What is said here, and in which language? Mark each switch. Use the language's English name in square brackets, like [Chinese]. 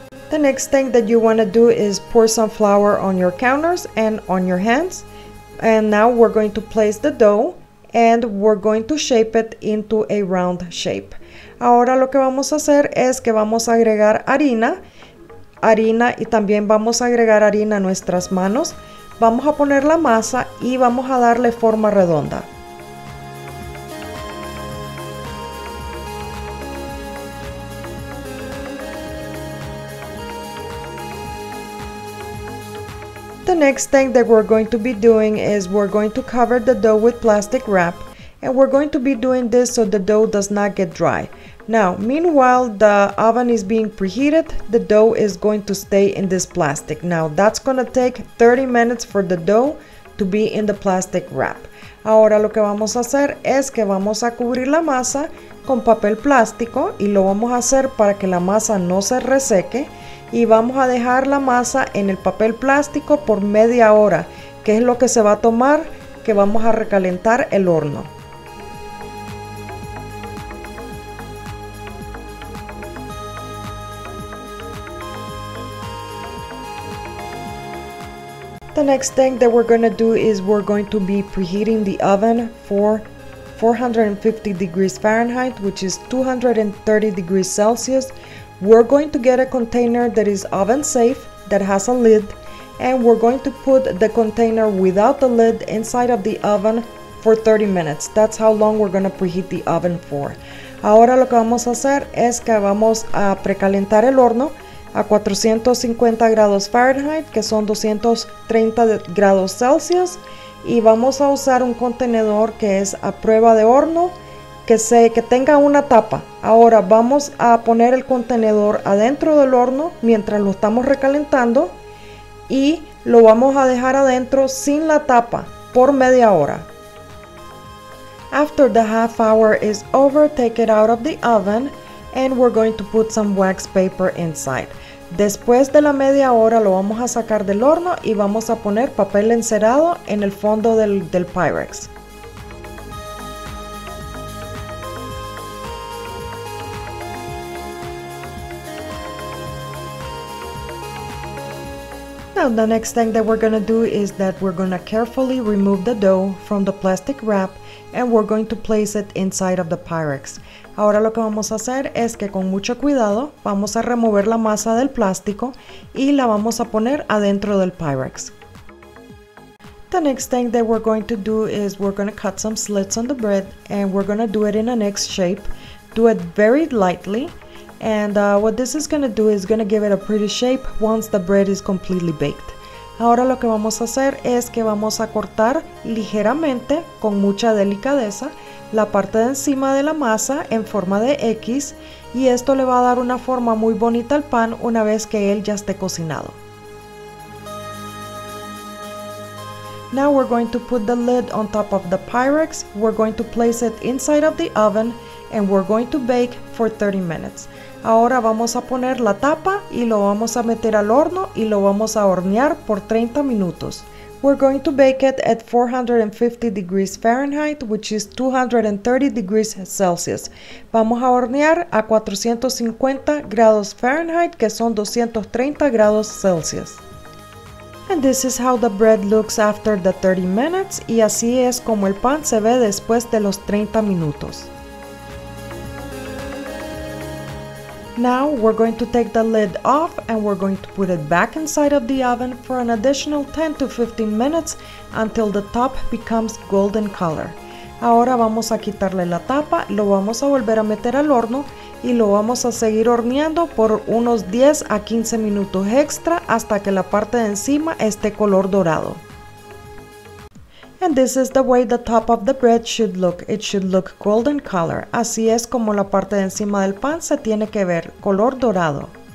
[English] The next thing that you want to do is pour some flour on your counters and on your hands. And now we're going to place the dough, and we're going to shape it into a round shape. [Spanish] Ahora lo que vamos a hacer es que vamos a agregar harina y también vamos a agregar harina a nuestras manos. Vamos a poner la masa y vamos a darle forma redonda. [English] The next thing that we're going to be doing is we're going to cover the dough with plastic wrap. And we're going to be doing this so the dough does not get dry. Now, meanwhile, the oven is being preheated, the dough is going to stay in this plastic. Now, that's going to take 30 minutes for the dough to be in the plastic wrap. [Spanish] Ahora lo que vamos a hacer es que vamos a cubrir la masa con papel plástico y lo vamos a hacer para que la masa no se reseque y vamos a dejar la masa en el papel plástico por media hora, que es lo que se va a tomar que vamos a recalentar el horno. [English] The next thing that we're going to do is we're going to be preheating the oven for 450 degrees Fahrenheit, which is 230 degrees Celsius. We're going to get a container that is oven safe, that has a lid, and we're going to put the container without the lid inside of the oven for 30 minutes. That's how long we're going to preheat the oven for. [Spanish] Ahora lo que vamos a hacer es que vamos a precalentar el horno a 450 grados Fahrenheit, que son 230 grados Celsius, y vamos a usar un contenedor que es a prueba de horno, que tenga una tapa. Ahora vamos a poner el contenedor adentro del horno mientras lo estamos recalentando y lo vamos a dejar adentro sin la tapa por media hora. [English] After the half hour is over, take it out of the oven and we're going to put some wax paper inside. [Spanish] Después de la media hora lo vamos a sacar del horno y vamos a poner papel encerado en el fondo del Pyrex. [English] Now the next thing that we're going to do is that we're going to carefully remove the dough from the plastic wrap and we're going to place it inside of the Pyrex. [Spanish] Ahora lo que vamos a hacer es que con mucho cuidado vamos a remover la masa del plástico y la vamos a poner adentro del Pyrex. [English] The next thing that we're going to do is we're going to cut some slits on the bread and we're going to do it in an X shape. Do it very lightly. And what this is going to do is going to give it a pretty shape once the bread is completely baked. [Spanish] Ahora lo que vamos a hacer es que vamos a cortar ligeramente, con mucha delicadeza, la parte de encima de la masa en forma de X, y esto le va a dar una forma muy bonita al pan una vez que él ya esté cocinado. [English] Now we're going to put the lid on top of the Pyrex. We're going to place it inside of the oven and we're going to bake for 30 minutes. [Spanish] Ahora vamos a poner la tapa y lo vamos a meter al horno y lo vamos a hornear por 30 minutos. [English] We're going to bake it at 450 degrees Fahrenheit, which is 230 degrees Celsius. [Spanish] Vamos a hornear a 450 grados Fahrenheit, que son 230 grados Celsius. [English] And this is how the bread looks after the 30 minutes. [Spanish] Y así es como el pan se ve después de los 30 minutos. [English] Now we're going to take the lid off and we're going to put it back inside of the oven for an additional 10 to 15 minutes until the top becomes golden color. [Spanish] Ahora vamos a quitarle la tapa, lo vamos a volver a meter al horno y lo vamos a seguir horneando por unos 10 a 15 minutos extra hasta que la parte de encima esté color dorado. [English] And this is the way the top of the bread should look. It should look golden color. [Spanish] Así es como la parte de encima del pan se tiene que ver, color dorado.